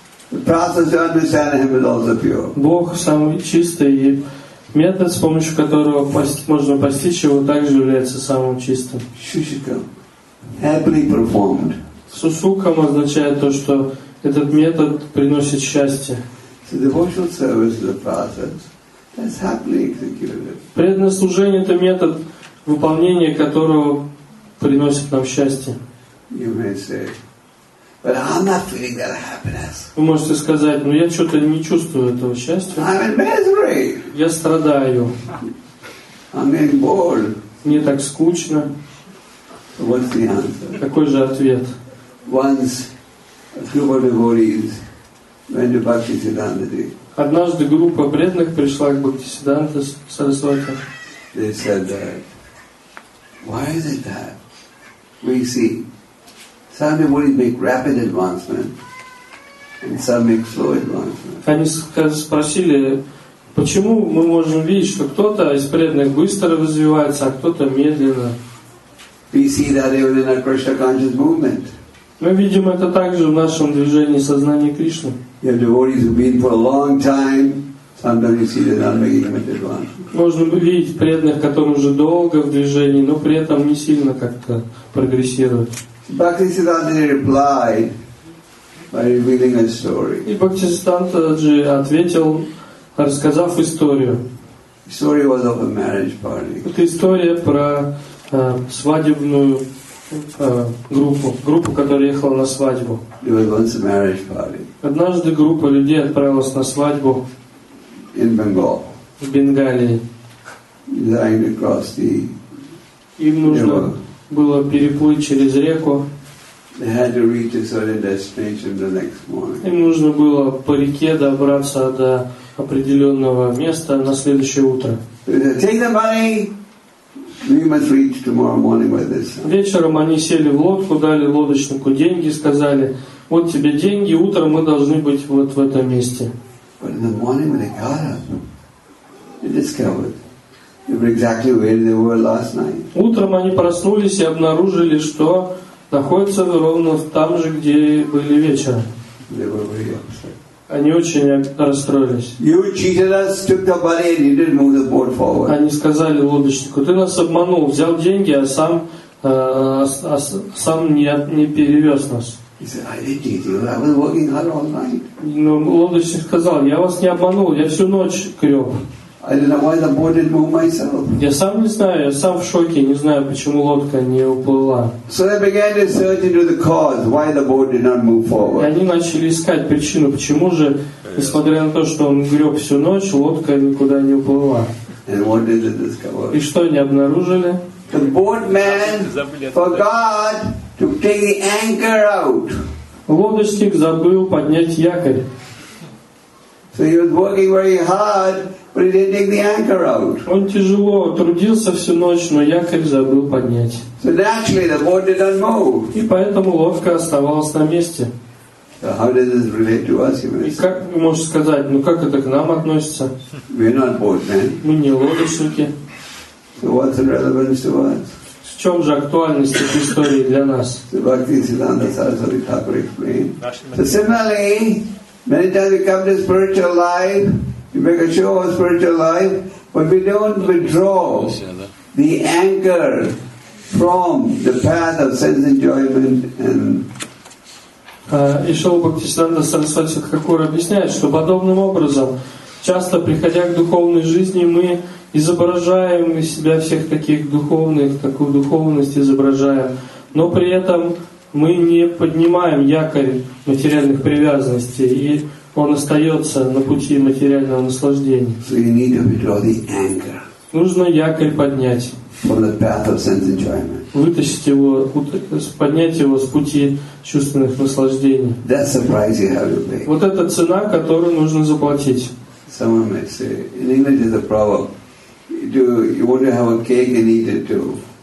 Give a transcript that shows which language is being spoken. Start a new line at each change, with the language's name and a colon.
English: The process to understand Him is also pure.
Russian: Бог самый чистый и метод, с помощью которого можно постичь его, также является самым чистым.
English: Шушукам. Happily performed.
Russian: Сусукам означает то, что этот метод приносит счастье.
English: So devotional service is a process that's happily executed.
Russian: Преданное служение — это метод, выполнение которого приносит нам счастье.
English: You may say, But I'm not feeling that happiness.
Russian: Вы можете сказать, но я что-то не чувствую этого счастья.
English: I'm in misery.
Russian: Я страдаю.
English: I'm in bored.
Russian: Мне так скучно.
English: What's the answer?
Russian: Какой же ответ?
English: Once group of devotees went to Bhaktisiddhanta.
Russian: Однажды группа преданных пришла к Бхактисиддханте Сарасвати.
English: They said that. Why is it that? We see some devotees make rapid advancement and some make slow advancement.
Russian: Они спросили, почему мы можем видеть, что кто-то из преданных быстро развивается, а кто-то медленно.
English: We see that even in our Krishna conscious movement.
Russian: Мы видим это также в нашем движении сознания Кришны.
English: You have devotees who've been for a long time. Sometimes you see that they're not making rapid advancement.
Russian: Можно видеть преданных, которые уже долго в движении, но при этом не сильно как-то прогрессируют.
English: Bhaktisiddhanta replied by revealing a story.
Russian: И Бхактисиддханта Джи ответил, рассказав историю.
English: The story was of a marriage party.
Russian: Это история про свадебную группу, которая ехала на свадьбу.
English: It was once a marriage party.
Russian: Однажды группа людей отправилась на свадьбу
English: in Bengal.
Russian: В Бенгалии.
English: Designed across the
Russian: Им нужно river. Было переплыть через реку.
English: They had to reach a certain destination the next morning.
Russian: Им нужно было по реке добраться до определенного места на следующее утро.
English: Take the money. We must reach tomorrow morning by this.
Russian: Вечером они сели в лодку, дали лодочнику деньги, сказали: вот тебе деньги, утром мы должны быть вот в этом месте.
English: But in the morning when they got up, they discovered they were exactly where they were last night.
Russian: Утром они проснулись и обнаружили, что находятся ровно там же, где были вечером.
English: They were very upset.
Russian: Они очень расстроились.
English: You cheated us, took the money, and you didn't move the boat forward.
Russian: Они сказали лодочнику: ты нас обманул, взял деньги, а сам сам не перевез нас.
English: He said, I didn't cheat you. I was working hard all night.
Russian: Но лодочник сказал: я вас не обманул, я всю ночь креп.
English: I don't know why the boat didn't move myself.
Russian: Я сам не знаю, я сам в шоке, не знаю, почему лодка не уплыла.
English: So they began to search into the cause why the boat did not move forward.
Russian: И они начали искать причину, почему же, несмотря на то, что он греб всю ночь, лодка никуда не уплыла.
English: And what did they discover?
Russian: И что они обнаружили?
English: The boatman forgot to take the anchor out.
Russian: Лодочник забыл поднять якорь.
English: So he was working very hard, but he didn't take the anchor out.
Russian: Он тяжело трудился всю ночь, но якорь забыл поднять.
English: So naturally the boat did not move.
Russian: И поэтому лодка оставалась на месте.
English: So how does this relate to us, you
Russian: И как вы можете сказать, ну как это к нам относится?
English: We're not boatmen.
Russian: Мы не лодочники.
English: So what's the relevance to us?
Russian: В чем же актуальность этой истории для нас?
English: Bhaktisiddhanta Saraswati Thakur explained. So similarly, many times we come to spiritual life, we make a show of spiritual life, but we don't withdraw the anchor from the path of sense enjoyment and.
Russian: И Шрила Бхактисиддханта Сарасвати Тхакура объясняет, что подобным образом, часто приходя к духовной жизни, мы изображаем из себя всех таких духовных, такую духовность изображаем, но при этом мы не поднимаем якорь материальных привязанностей, и он остается на пути материального наслаждения.
English: So you need to withdraw the anchor.
Russian: Нужно якорь поднять.
English: From the path of sense enjoyment.
Russian: Вытащить его, поднять его с пути чувственных наслаждений.
English: That's the price you have to pay.
Russian: Вот это цена, которую нужно заплатить.
English: Someone might say, in English is a proverb. You want to have a cake and eat it too.